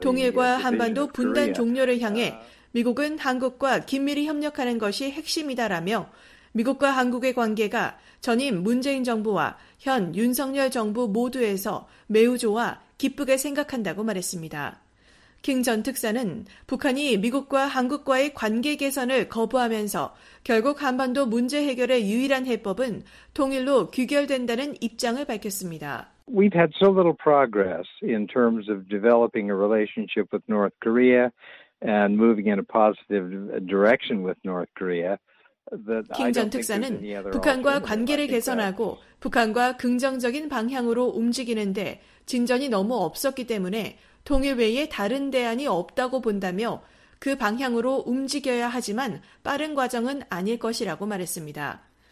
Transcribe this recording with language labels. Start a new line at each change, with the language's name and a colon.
Korean: 통일과 한반도 분단 종료를 향해 미국은 한국과 긴밀히 협력하는 것이 핵심이다라며 미국과 한국의 관계가 전임 문재인 정부와 현 윤석열 정부 모두에서 매우 좋아 기쁘게 생각한다고 말했습니다. 킹 전 특사는 북한이 미국과 한국과의 관계 개선을 거부하면서 결국 한반도 문제 해결의 유일한 해법은 통일로 귀결된다는 입장을 밝혔습니다.
English: We've had so little progress in terms of developing a relationship with North Korea and moving in a positive direction with North Korea.
Korean: 킹 전 특사는 북한과 관계를 개선하고 북한과 긍정적인 방향으로 움직이는데 진전이 너무 없었기 때문에 통일 외에 다른 대안이 없다고 본다며 그 방향으로 움직여야 하지만 빠른 과정은 아닐 것이라고 말했습니다.